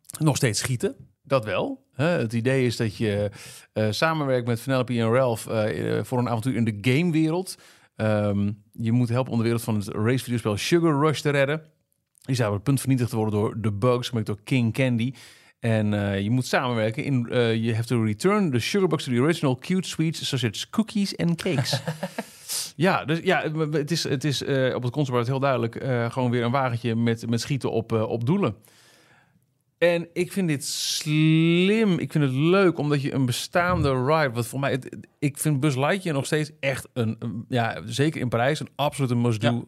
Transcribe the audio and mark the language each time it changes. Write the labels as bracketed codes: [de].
[nl] Nog steeds schieten, dat wel. Het idee is dat je samenwerkt met Vanellope en Ralph voor een avontuur in de gamewereld. Je moet helpen om de wereld van het racevideospel Sugar Rush te redden. Je zou op het punt vernietigd worden door de bugs, gemaakt door King Candy. [en] En je moet samenwerken in you have to return the sugarbox to the original cute sweets such as cookies and cakes. [nl] Ja, dus ja, het is op het conceptbord heel duidelijk gewoon weer een wagentje met schieten op doelen. En ik vind dit slim. Ik vind het leuk omdat je een bestaande ride, wat voor mij ik vind Buzz Lightyear nog steeds echt een zeker in Parijs een absolute must do. Ja.